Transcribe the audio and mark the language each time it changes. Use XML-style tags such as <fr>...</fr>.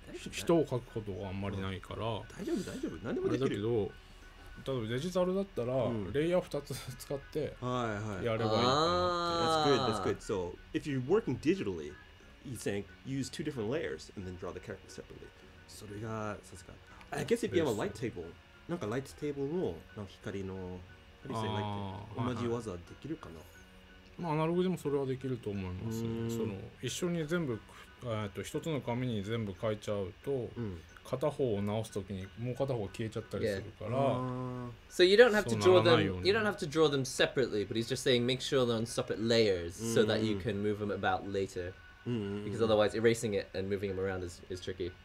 <ja>人を描くことがあんまりないから、うん、大丈夫何でもできるけど、例えばデジタルだったら、うん、レイヤー2つ使ってやればいいかなって、はいはい、</ja> <en>That's good. So if you're working digitally, you think use two different layers and then draw the character separately.</en> <ja>それがさすが。</ja> <en>I guess if you have a light table,</en> <ja>なんかライトテーブルのなんか光の同じ技できるかな。まあアナログでもそれはできると思います。その一緒に全部一つの紙に全部書いちゃうと、うん、片方を直すときにもう片方が消えちゃったりするから、</ja> <en>yeah. So you don't have to draw them. You don't have to draw them separately. But he's just saying make sure they're on separate layers so that you can move them about later. Because otherwise, erasing it and moving them around is tricky.</en>